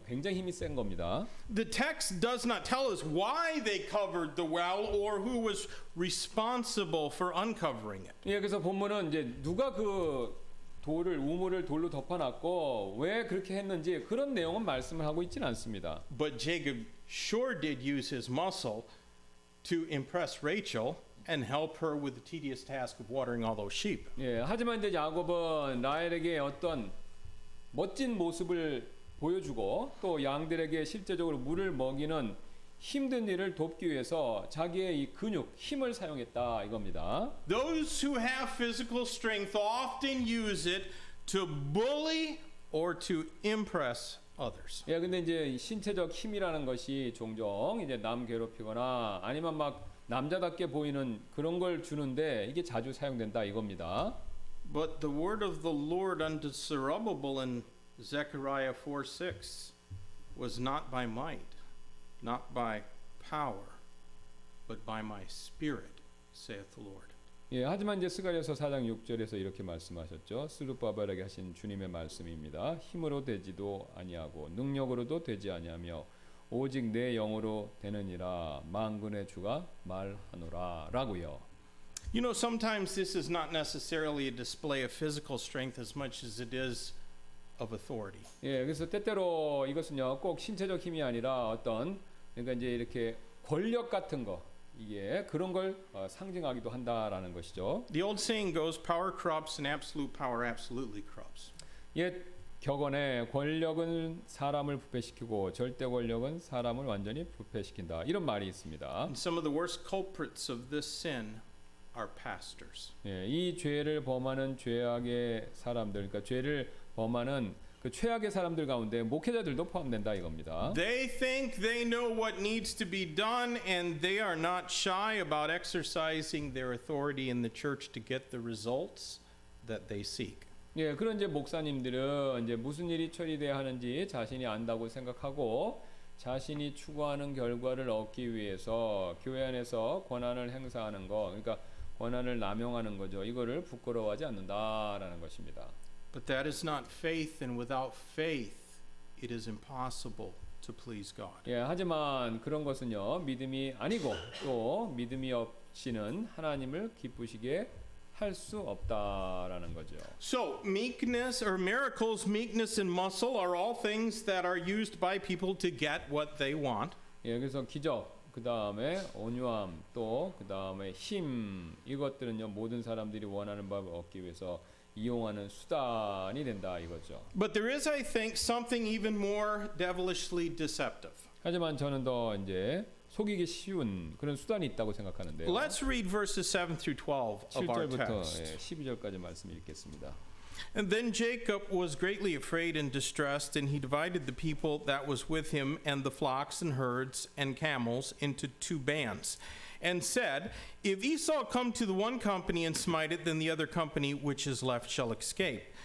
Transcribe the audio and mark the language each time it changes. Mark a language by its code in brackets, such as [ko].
[ko] 굉장히 힘이 센 겁니다. [en] The text does not tell us why they covered the well or who was responsible for uncovering it. [ko] 예, 그래서 본문은 이제 누가 그 돌을 우물을 돌로 덮어 놨고 왜 그렇게 했는지 그런 내용은 말씀을 하고 있지는 않습니다. [en] But Jacob sure did use his muscle to impress Rachel and help her with the tedious task of watering all those sheep. [ko] 예, 하지만 이제 야곱은 라헬에게 어떤 멋진 모습을 보여주고 또 양들에게 실제적으로 물을 먹이는 힘든 일을 돕기 위해서 자기의 이 근육 힘을 사용했다 이겁니다. [en] Those who have physical strength often use it to bully or to impress others. [ko] 예, 근데 이제 신체적 힘이라는 것이 종종 이제 남 괴롭히거나 아니면 막 남자답게 보이는 그런 걸 주는데 이게 자주 사용된다 이겁니다. [en] But the word of the Lord unto Zerubbabel in Zechariah 4:6 was not by might, not by power, but by my spirit, saith the Lord. [ko] 예, 하지만 이제 스가랴서 4장 6절에서 이렇게 말씀하셨죠. 스룹바벨에게 하신 주님의 말씀입니다. 힘으로 되지도 아니하고 능력으로도 되지 아니하며 오직 내 영으로 되느니라 만군의 주가 말하노라라고요. [en] You know, sometimes this is not necessarily a display of physical strength as much as it is of authority. [ko] 예, 그래서 때때로 이것은요 꼭 신체적 힘이 아니라 어떤 그러니까 이제 이렇게 권력 같은 거 이게 그런 걸 상징하기도 한다라는 것이죠. [en] The old saying goes, "Power corrupts, and absolute power absolutely corrupts." [ko] 예. 격언에 권력은 사람을 부패시키고 절대 권력은 사람을 완전히 부패시킨다 이런 말이 있습니다. [en] And some of the worst culprits of this sin are pastors. [ko] 예, 이 죄를 범하는 죄악의 사람들, 그러니까 죄를 범하는 그 최악의 사람들 가운데 목회자들도 포함된다 이겁니다. [en] They think they know what needs to be done, and they are not shy about exercising their authority in the church to get the results that they seek. [ko] 예, 그런 이제 목사님들은 이제 무슨 일이 처리돼야 하는지 자신이 안다고 생각하고 자신이 추구하는 결과를 얻기 위해서 교회 안에서 권한을 행사하는 거, 그러니까 권한을 남용하는 거죠. 이거를 부끄러워하지 않는다라는 것입니다. [en] But that is not faith, and without faith, it is impossible to please God. [ko] 예, 하지만 그런 것은요, 믿음이 아니고 또 믿음이 없이는 하나님을 기쁘시게 할 수 없다라는 거죠. [en] So meekness or miracles, meekness and muscle are all things that are used by people to get what they want. [ko] 예, 그래서 기적, 그 다음에 온유함, 또 그 다음에 힘, 이것들은요 모든 사람들이 원하는 바를 얻기 위해서 이용하는 수단이 된다 이거죠. [en] But there is, I think, something even more devilishly deceptive. [ko] 하지만 저는 더 이제 속이기 쉬운 그런 수단이 있다고 생각하는데요. [en] Let's read verses 7 through 12 of our text. [ko] 7절부터 12절까지 말씀 읽겠습니다. [en] And then Jacob was greatly afraid and distressed, and he divided the people that was with him and the flocks and herds and camels into two bands, and said, If Esau come to the one company and smite it, then the other company which is left shall escape.